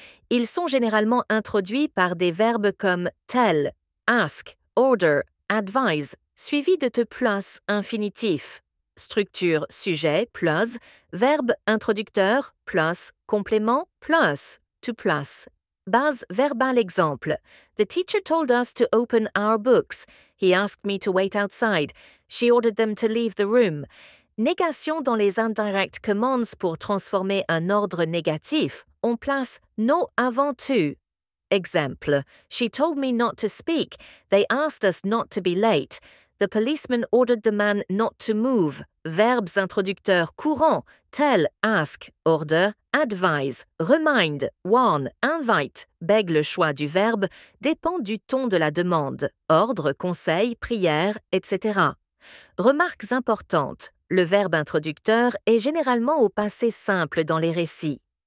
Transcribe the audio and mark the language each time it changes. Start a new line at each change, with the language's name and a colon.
French: Ils sont généralement introduits par des verbes comme tell, ask, order, advise, suivis de te plus infinitif. Structure sujet plus, verbe introducteur plus, complément plus, to plus. Base verbale exemple.
English: The teacher told us to open our books. He asked me to wait outside. She ordered them to leave the room.
French: Négation dans les indirect commands pour transformer un ordre négatif. On place no avant to. Exemple.
English: She told me not to speak. They asked us not to be late. The policeman ordered the man not to move.
French: Verbes introducteurs courants.
English: Tell, ask, order, advise, remind, warn, invite, beg
French: le choix du verbe, dépend du ton de la demande, ordre, conseil, prière, etc. Remarques importantes. Le verbe introducteur est généralement au passé simple dans les récits.